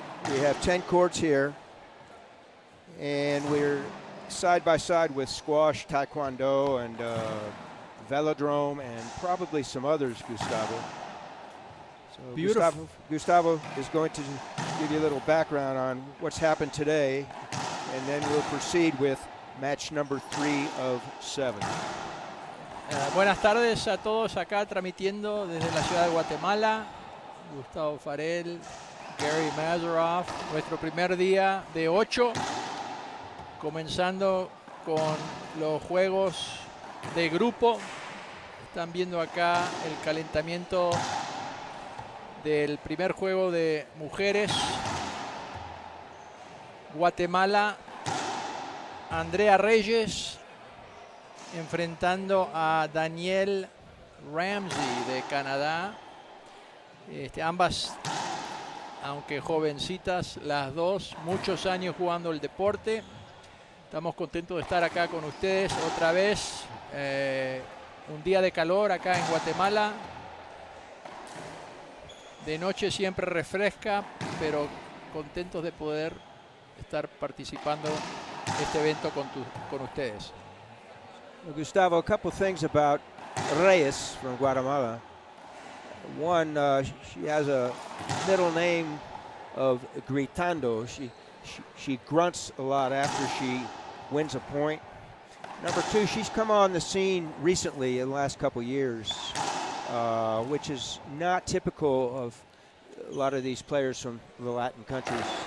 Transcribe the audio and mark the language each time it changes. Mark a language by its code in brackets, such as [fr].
[en] We have 10 courts here, and we're side by side with squash, taekwondo, and velodrome, and probably some others, Gustavo. So Gustavo is going to give you a little background on what's happened today, and then we'll proceed with match number 3 of 7. [es] Buenas tardes a todos acá transmitiendo desde la ciudad de Guatemala. Gustavo Farrell, Gary Mazaroff. Nuestro primer día de 8, comenzando con los juegos de grupo. Están viendo acá el calentamiento del primer juego de mujeres. Guatemala, Andrea Reyes, enfrentando a Daniel Ramsay de Canadá. Ambas, aunque jovencitas, las dos, muchos años jugando el deporte. Estamos contentos de estar acá con ustedes otra vez. Un día de calor acá en Guatemala. De noche siempre refresca, pero contentos de poder estar participando este evento con ustedes. [en] Gustavo, a couple of things about Reyes from Guatemala. One, she has a middle name of Gritando. She grunts a lot after she wins a point. Number two, she's come on the scene recently in the last couple of years, which is not typical of a lot of these players from the Latin countries.